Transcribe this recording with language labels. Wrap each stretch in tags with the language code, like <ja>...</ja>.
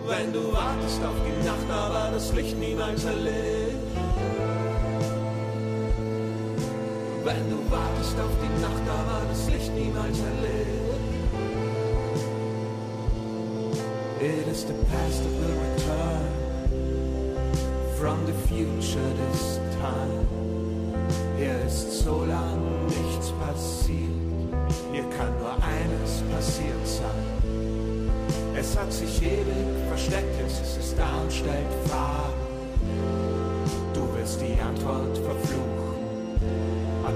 <de>Wenn du wartest auf die Nacht, da war das Licht niemals erlischt. Wenn du wartest auf die Nacht, da war das Licht niemals erlischt.</de> <en>It is the past that will return from the future this time.</en> <de>Hier ist so lang nichts passiert, hier kann nur eines passiert sein. Es hat sich ewig versteckt, jetzt ist es da und stellt Fragen. Du wirst die Antwort verfluchen.</de>